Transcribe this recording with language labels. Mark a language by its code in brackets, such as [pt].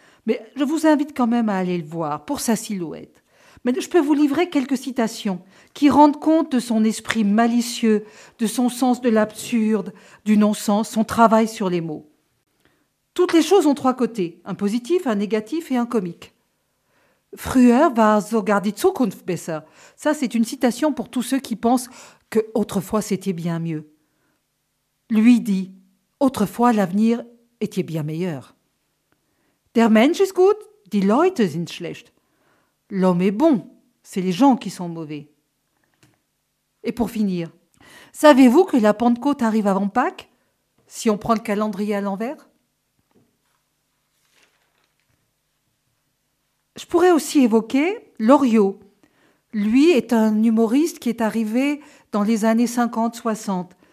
[fr] Mais je vous invite quand même à aller le voir pour sa silhouette. Mais je peux vous livrer quelques citations qui rendent compte de son esprit malicieux, de son sens de l'absurde, du non-sens, son travail sur les mots. Toutes les choses ont trois côtés, un positif, un négatif et un comique. [de] Früher war sogar die Zukunft besser. [fr] Ça, c'est une citation pour tous ceux qui pensent que autrefois c'était bien mieux. Lui dit, autrefois l'avenir était bien meilleur. [de] Der Mensch ist gut, die Leute sind schlecht. [fr] L'homme est bon, c'est les gens qui sont mauvais. Et pour finir, savez-vous que la Pentecôte arrive avant Pâques, si on prend le calendrier à l'envers? Je pourrais aussi évoquer Loriot. Lui est un humoriste qui est arrivé dans les années 50-60.